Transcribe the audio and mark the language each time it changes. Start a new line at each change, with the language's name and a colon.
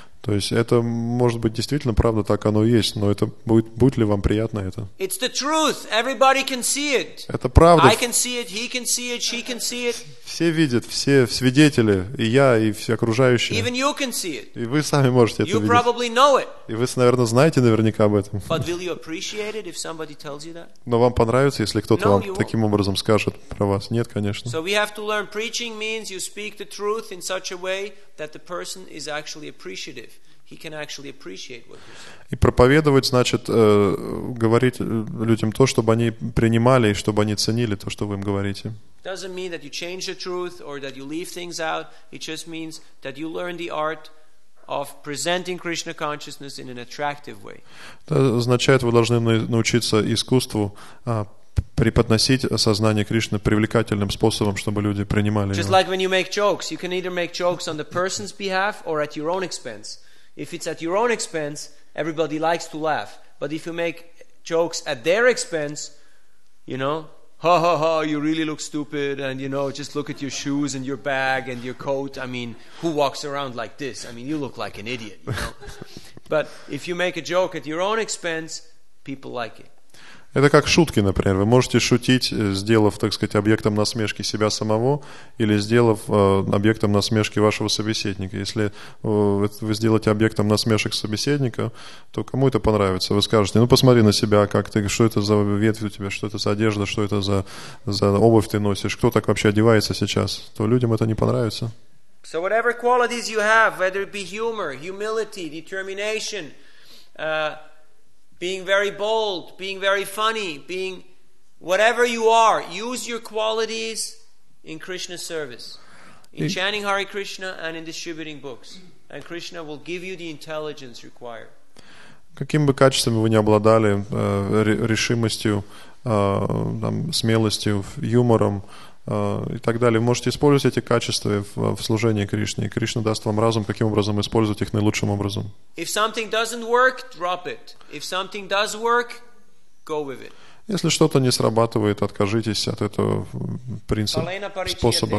Russian: То есть это может быть действительно правда, так оно и есть, но это будет ли вам приятно это?
English: It's the truth. Everybody can see it.
Russian: Это правда.
English: I can see it, he can see it, she can see it.
Russian: Все видят, все свидетели, и я, и все окружающие.
English: Even you can see it.
Russian: И вы сами можете это
English: you
Russian: видеть.
English: You probably know it.
Russian: И вы, наверное, знаете наверняка об этом.
English: But will you appreciate it if somebody tells you that?
Russian: Но вам понравится, если кто-то вам таким образом скажет про вас? Нет, конечно.
English: So we have to learn. Preaching means you speak the truth in such a way that the person is actually appreciative. He can actually appreciate what you're saying.
Russian: И проповедовать значит говорить людям то, чтобы они принимали и чтобы они ценили то, что вы им говорите.
English: It doesn't mean that you change the truth or that you leave things out. It just means that you learn the art of presenting Krishna consciousness in an attractive way.
Russian: Это означает, вы должны научиться искусству преподносить сознание Кришны привлекательным способом, чтобы люди принимали.
English: Just like when you make jokes, you can either make jokes on the person's behalf or at your own expense. If it's at your own expense, everybody likes to laugh. But if you make jokes at their expense, you know, ha ha ha, you really look stupid, and you know, just look at your shoes and your bag and your coat. I mean, who walks around like this? I mean, you look like an idiot, you know. But if you make a joke at your own expense, people like it.
Russian: Это как шутки, например. Вы можете шутить, сделав, так сказать, объектом насмешки себя самого или сделав объектом насмешки вашего собеседника. Если вы сделаете объектом насмешек собеседника, то кому это понравится? Вы скажете, ну посмотри на себя, как ты, что это за ветвь у тебя, что это за одежда, что это за обувь ты носишь, кто так вообще одевается сейчас? То людям это не понравится.
English: So whatever qualities you have, whether it be humor, humility, determination, being very bold, being very funny, being whatever you are, use your qualities in Krishna's service, in chanting Hare Krishna and in distributing books. And Krishna will give you the intelligence required.
Russian: Каким бы качествами вы ни обладали, решимостью, там, смелостью, юмором, и так далее. Можете использовать эти качества в служении Кришне. И Кришна даст вам разум, каким образом использовать их наилучшим образом. Если что-то не срабатывает, откажитесь от этого принципа, способа.